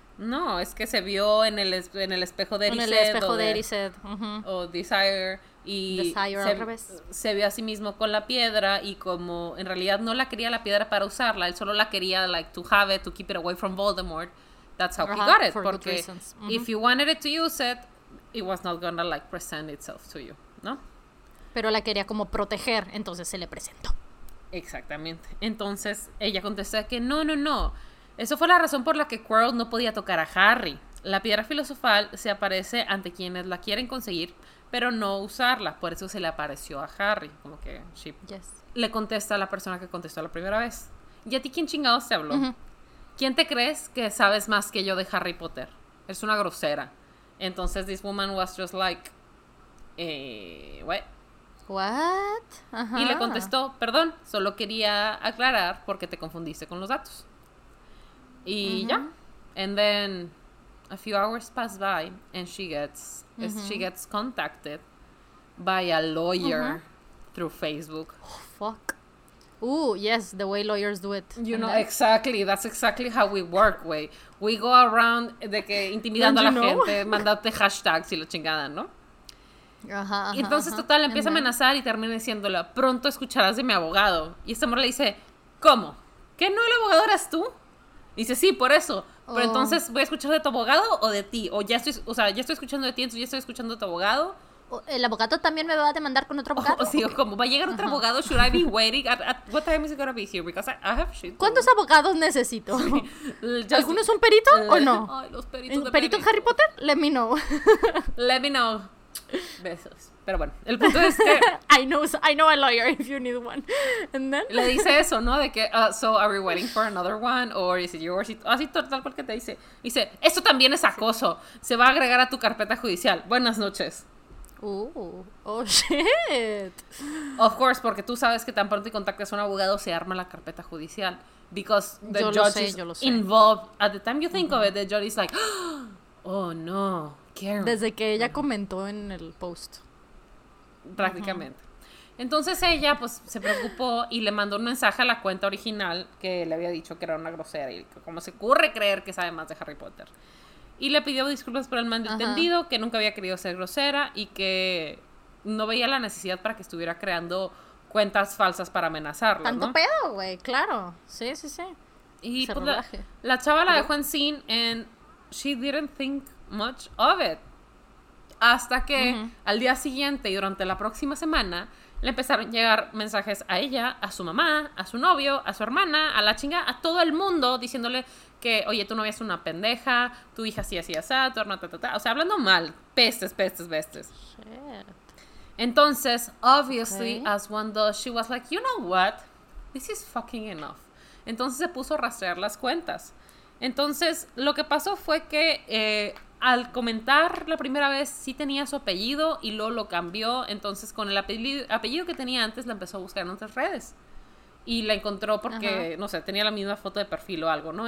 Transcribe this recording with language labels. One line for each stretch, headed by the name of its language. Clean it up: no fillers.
Spanish: No, es que se vio en el espejo de Erised. En el espejo de Erised. Uh-huh. O Desire. Y Desire, otra vez. Se vio a sí mismo con la piedra y como en realidad no la quería la piedra para usarla, él solo la quería,
English: like, to have it, to keep it away from Voldemort. That's how he got it, for
Spanish: porque
English: good reasons. Mm-hmm. If you wanted it to use it, it was not gonna, like, present itself to you, ¿no?
Spanish: Pero la quería como proteger, entonces se le presentó. Exactamente. Entonces, ella contesta que no. Eso fue la razón por la que Quirrell no podía tocar a Harry. La piedra filosofal se aparece ante quienes la quieren conseguir, pero no usarla. Por eso se le apareció a Harry, como que she...
English: Yes.
Spanish: Le contesta a la persona que contestó la primera vez. ¿Y a ti quién chingados te habló? Mm-hmm. ¿Quién te crees que sabes más que yo de Harry Potter? Eres una grosera. Entonces,
English: this woman was just like, what? What?
Spanish: Uh-huh. Y le contestó, perdón, solo quería aclarar porque te confundiste con los datos. Y ya.
English: And then a few hours pass by and she gets she gets contacted by a lawyer through Facebook. Oh, fuck. Ooh, yes, the way lawyers do it. You know, exactly. That's exactly how we work, way. We go around
Spanish: de que intimidando a la gente, mandate hashtags y la chingada, ¿no? Y entonces, total, empieza a amenazar y termina diciéndola, pronto escucharás de mi abogado. Y esta morra le dice, ¿cómo? ¿Qué no el abogado eras tú? Y dice, sí, por eso. Pero entonces, ¿voy a escuchar de tu abogado o de ti? O ya estoy, o sea, ya estoy escuchando de ti, entonces ya estoy escuchando de tu abogado. ¿El abogado también me va a demandar con otro abogado? Sí, okay. ¿Cómo? ¿Va a llegar otro abogado?
English: Should I be waiting? At what time is it going to be here? Because I have shit.
Spanish: ¿Cuántos abogados necesito? Sí. ¿Alguno es un perito o no? Ay, los peritos de ¿Perito en Harry Potter?
English: Let me know. Let me know.
Spanish: Besos. Pero bueno, el punto es que...
English: I know a lawyer if you need one. And then...
Spanish: Le dice eso, ¿no? De que,
English: so are we waiting for another one? Or is it yours?
Spanish: Así total, porque te dice. Dice, esto también es acoso. Se va a agregar a tu carpeta judicial. Buenas noches.
English: Oh shit. Of course,
Spanish: porque tú sabes que tan pronto y contactas a un abogado se arma la carpeta judicial.
English: Because the judge is involved. At the time you think of it, the judge is like, oh no, Karen.
Spanish: Desde que ella comentó en el post. Prácticamente. Entonces ella pues se preocupó y le mandó un mensaje a la cuenta original que le había dicho que era una grosera y cómo se ocurre creer que sabe más de Harry Potter. Y le pidió disculpas por el malentendido, que nunca había querido ser grosera y que no veía la necesidad para que estuviera creando cuentas falsas para amenazarla, ¿no? Tanto pedo, güey, claro. Sí, sí, sí. Y pues, la chava la dejó en sin
English: and she didn't think much of it.
Spanish: Hasta que al día siguiente y durante la próxima semana le empezaron a llegar mensajes a ella, a su mamá, a su novio, a su hermana, a la chinga, a todo el mundo diciéndole... Que, oye, tu novia es una pendeja, tu hija sí, así, así, tu hermana, o sea, hablando mal, pestes.
English: Shit.
Spanish: Entonces,
English: obviously, as one does, she was like, you know what? This is fucking enough.
Spanish: Entonces se puso a rastrear las cuentas. Entonces, lo que pasó fue que al comentar la primera vez, sí tenía su apellido y luego lo cambió. Entonces, con el apellido que tenía antes, la empezó a buscar en otras redes. Y la encontró porque, no sé, tenía la misma foto de perfil o algo, ¿no?